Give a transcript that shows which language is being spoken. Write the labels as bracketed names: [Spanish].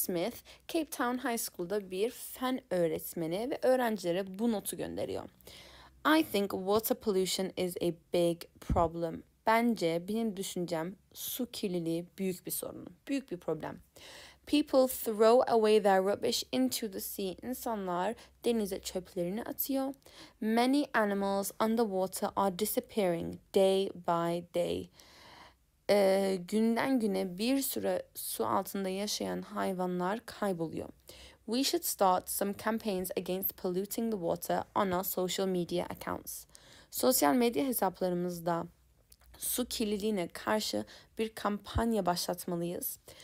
[Turkish] Smith, Cape Town High School'da bir fen öğretmeni ve öğrencilere bu notu gönderiyor. [English] I think water pollution is a big problem. [Turkish] Bence benim düşüncem su kirliliği büyük bir sorun, büyük bir problem. [English] People throw away their rubbish into the sea. [Turkish] İnsanlar denize çöplerini atıyor. [English] Many animals underwater are disappearing day by day. [Turkish] Günden güne bir süre su altında yaşayan hayvanlar kayboluyor. [English] We should start some campaigns against polluting the water on our social media accounts. [Turkish] Sosyal medya hesaplarımızda su kirliliğine karşı bir kampanya başlatmalıyız.